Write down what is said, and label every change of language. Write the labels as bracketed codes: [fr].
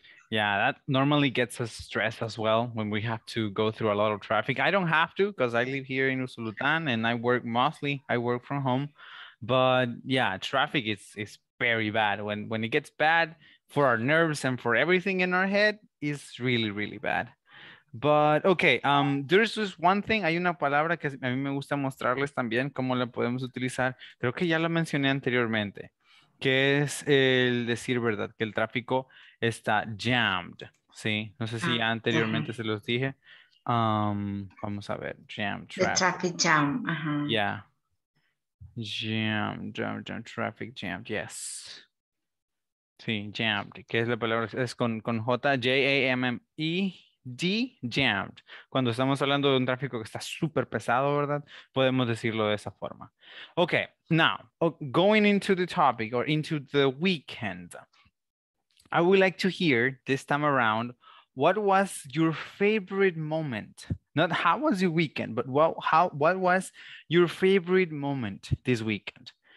[en] Yeah, that normally gets us stressed as well when we have to go through a lot of traffic. I don't have to because I live here in Usulután and I work from home. But yeah, traffic is very bad. When it gets bad for our nerves and for everything in our head, is really, really bad. But, okay, there is just one thing. [es] Hay una palabra que a mí me gusta mostrarles también cómo la podemos utilizar. Creo que ya la mencioné anteriormente, que es el decir, ¿verdad? Que el tráfico está jammed, ¿sí? No sé si anteriormente se los dije. Vamos a ver, jammed traffic. [en] The traffic jam, Yeah. Jammed, traffic jammed, yes. [es] Sí, jammed, ¿qué es la palabra? Es con J, J-A-M-M-E. Jammed. Cuando estamos hablando de un tráfico que está súper pesado, ¿verdad? Podemos decirlo de esa forma. [en] Okay, now, going into the topic or into the weekend, I would like to hear this time around, what was your favorite moment? Not how was your weekend, but what was your favorite moment this weekend?